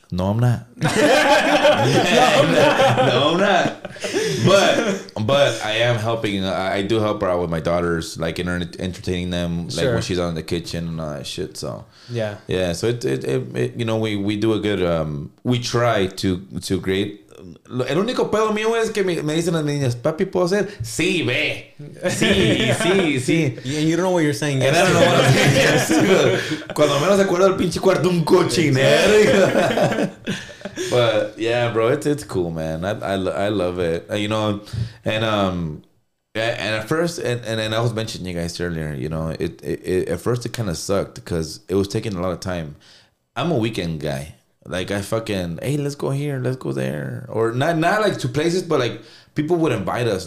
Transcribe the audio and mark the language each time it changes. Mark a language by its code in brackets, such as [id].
[en] No, I'm not. No, I'm not. But I am helping. I do help her out with my daughters, like entertaining them, like sure. When she's out in the kitchen and all that shit. So yeah. Yeah. So it you know, we do a good, we try to create. [es] El único pedo mío es que me dicen las niñas, papi, ¿puedo hacer? Sí, ve. Sí, sí, sí. [en] And you don't know what you're saying. And yes, I don't know what I'm saying. Yes. [es] Cuando menos acuerdo del pinche cuarto, un cochinero. [en] But yeah, bro, it's cool, man. I love it. You know, and at first, and I was mentioning you guys earlier, you know, at first it kind of sucked because it was taking a lot of time. I'm a weekend guy. Like, I fucking, hey, let's go here, let's go there. Or not like to places, but like people would invite us.